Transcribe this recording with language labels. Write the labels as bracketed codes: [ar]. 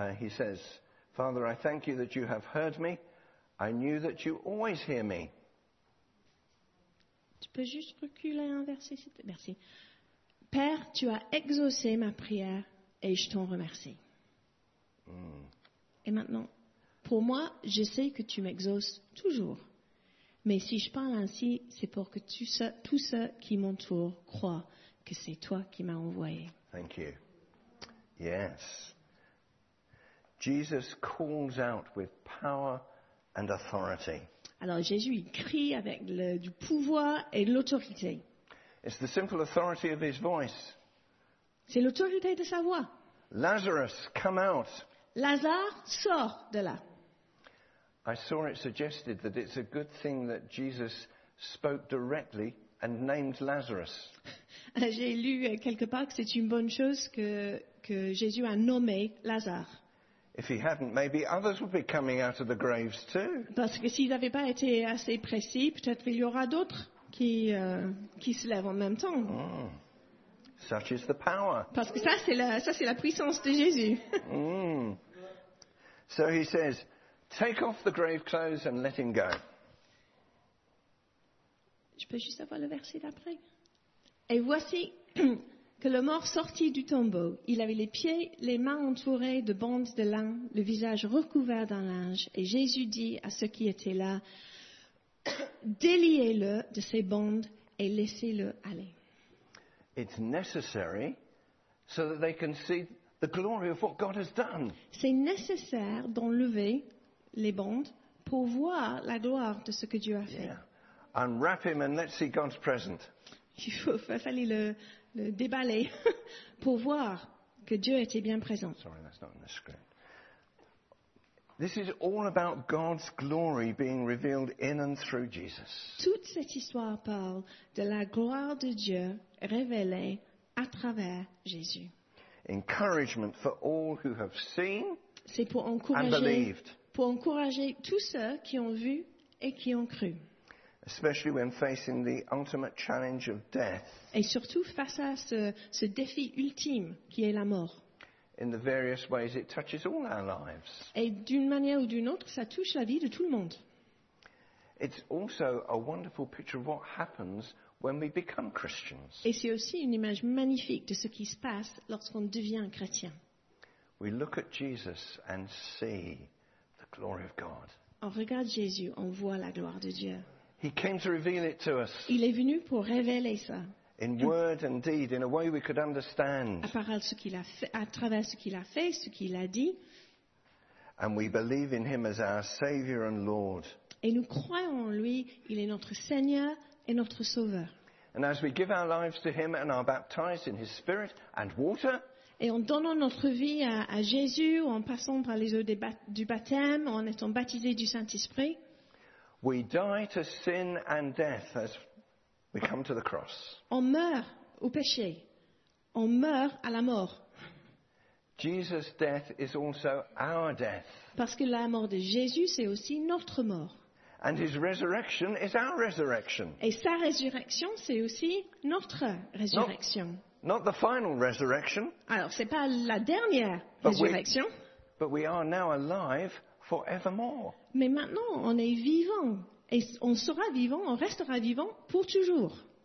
[en] He says, Father, I thank you that you have heard me. I knew that you always hear me. [fr] Tu peux juste reculer un verset. Merci. Père, tu as exaucé ma prière et je t'en remercie. Et maintenant, pour moi, je sais que tu m'exauces toujours. Mais si je parle ainsi, c'est pour que tous ceux qui m'entourent croient que c'est toi qui m'as envoyé. [en] Thank you. Yes. Jesus calls out with power. And authority. [fr] Alors Jésus il crie avec du pouvoir et de l'autorité. [en] It's the simple authority of his voice. [fr] C'est l'autorité de sa voix. [en] Lazarus, come out. [fr] Lazare, sort de là. [en] I saw it suggested that it's a good thing that Jesus spoke directly and named Lazarus. [fr] J'ai lu quelque part que c'est une bonne chose que Jésus a nommé Lazare. [en] If he hadn't, maybe others would be coming out of the graves too. [fr] Parce que s'ils n'avaient pas été assez précis, peut-être il y aura d'autres qui se lèvent en même temps. [en] Oh, such is the power. [fr] Parce que ça c'est la puissance de Jésus. [en] So he says, take off the grave clothes and let him go. [fr] Je peux juste avoir le verset d'après. Et voici. Que le mort sortit du tombeau. Il avait les pieds, les mains entourées de bandes de lin, le visage recouvert d'un linge. Et Jésus dit à ceux qui étaient là, déliez-le de ses bandes et laissez-le aller. [en] It's necessary so that they can see the glory of what God has done. [fr] C'est nécessaire d'enlever les bandes pour voir la gloire de ce que Dieu a fait. [en] Yeah. Unwrap him and let's see God's presence. [fr] Il fallait le déballer pour voir que Dieu était bien présent. [en] Sorry, that's not in the script. This is all about God's glory being revealed in and through Jesus. [fr] Toute cette histoire parle de la gloire de Dieu révélée à travers Jésus. [en] Encouragement for all who have seen and believed. [fr] C'est pour encourager tous ceux qui ont vu et qui ont cru. [en] Especially when facing the ultimate challenge of death. [fr] Et surtout face à ce défi ultime qui est la mort. [en] In the various ways it touches all our lives. [fr] Et d'une manière ou d'une autre, ça touche la vie de tout le monde. [en] It's also a wonderful picture of what happens when we become Christians. [fr] Et c'est aussi une image magnifique de ce qui se passe lorsqu'on devient chrétien. [en] We look at Jesus and see the glory of God. [fr] On regarde Jésus, on voit la gloire de Dieu. [en] He came to reveal it to us. [fr] Il est venu pour révéler ça. [en] In word and deed, in a way we could understand. [fr] À travers ce qu'il a fait, ce qu'il a dit. [en] And we believe in him as our Savior and Lord. [fr] Et nous croyons en lui, il est notre Seigneur et notre Sauveur. [en] And as we give our lives to him and are baptized in his spirit and water. [fr] Et en donnant notre vie à Jésus, en passant par les eaux du baptême, en étant baptisé du Saint-Esprit. [en] We die to sin and death as we come to the cross. [fr] On meurt au péché. On meurt à la mort. [en] Jesus' death is also our death. [fr] Parce que la mort de Jésus, c'est aussi notre mort. [en] And his resurrection is our resurrection. [fr] Et sa résurrection, c'est aussi notre résurrection. [en] Not the final resurrection. [fr] Alors, c'est pas la dernière résurrection. [en] But we are now alive forevermore. [fr] Mais maintenant, on est vivant. Et on sera vivant, on restera vivant pour toujours.